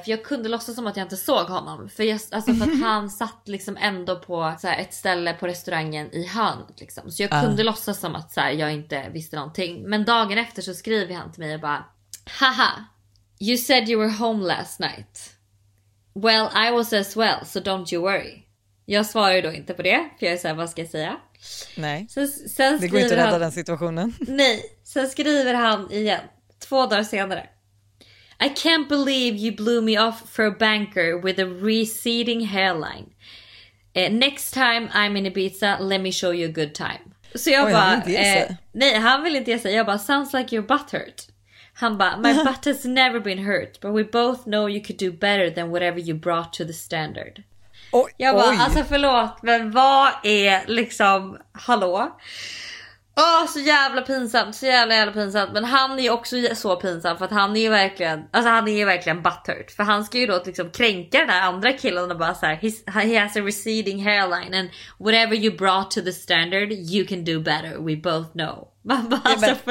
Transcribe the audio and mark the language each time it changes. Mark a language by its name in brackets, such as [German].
[Swedish] För jag kunde låtsas som att jag inte såg honom. För, jag, alltså, för att han satt liksom ändå på så här, ett ställe på restaurangen i hörnet. Liksom. Så jag kunde låtsas som att så här, jag inte visste någonting. Men dagen efter så skriver han till mig och bara, haha, [English] you said you were home last night. Well, I was as well, so don't you worry. [Swedish] Jag svarar ju då inte på det, för jag är såhär, vad ska jag säga? Nej, sen det går inte att rädda den situationen. Nej, sen skriver han igen, 2 dagar senare. [English] I can't believe you blew me off for a banker with a receding hairline. Next time I'm in Ibiza, let me show you a good time. [Swedish] Så jag bara, nej, han vill inte ge sig. Jag bara, [English] sounds like you're butthurt. [Swedish] Han bara, [English] my butt has never been hurt, but we both know you could do better than whatever you brought to the standard. [Swedish] Oj, jag bara, alltså förlåt, men vad är liksom, hallå? Åh, så jävla pinsamt, så jävla jävla pinsamt. Men han är ju också så pinsam, för att han är ju verkligen, alltså han är ju verkligen butthurt. För han ska ju då liksom kränka den här andra killen och bara så här, [English] he has a receding hairline and whatever you brought to the standard, you can do better, we both know. [Swedish] Man bara, alltså,